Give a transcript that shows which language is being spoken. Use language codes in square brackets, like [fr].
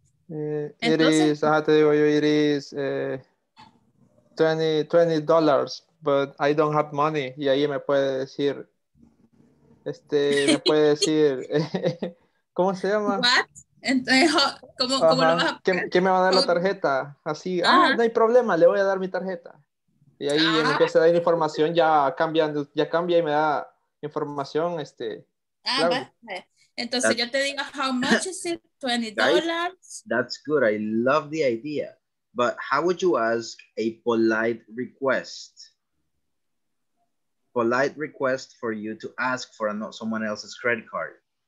[en] Entonces, it is $20, but I don't have money. [es] Y ahí me puede decir, me puede decir, ¿cómo se llama? What? Entonces, ¿cómo lo vas a ¿Qué me va a dar la tarjeta? Así, no hay problema, le voy a dar mi tarjeta. Y ahí empieza a dar información, ya cambia y me da información. Claro. Entonces yo te digo, how much is it? [en] $20. That's good. I love the idea. But how would you ask a polite request? Polite request for you to ask for someone else's credit card.